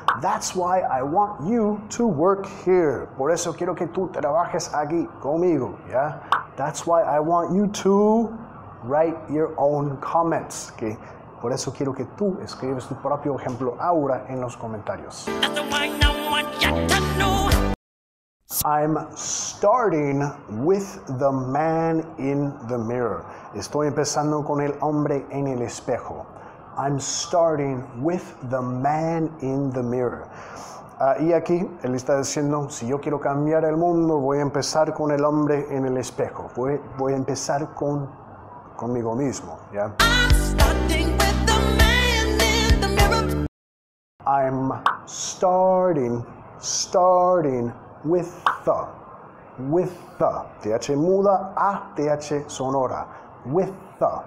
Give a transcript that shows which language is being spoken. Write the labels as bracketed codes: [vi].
[en] That's why I want you to work here. [es] Por eso quiero que tú trabajes aquí conmigo, ¿ya? [en] That's why I want you to write your own comments. [es] Que por eso quiero que tú escribes tu propio ejemplo ahora en los comentarios. [en] I'm starting with the man in the mirror. [es] Estoy empezando con el hombre en el espejo. [en] I'm starting with the man in the mirror. [es] Y aquí él está diciendo, si yo quiero cambiar el mundo, voy a empezar con el hombre en el espejo. Voy a empezar conmigo mismo, ¿ya? [en] I'm starting with the man in the mirror. I'm starting with the. With the. [es] TH muda a TH sonora. [en] With the.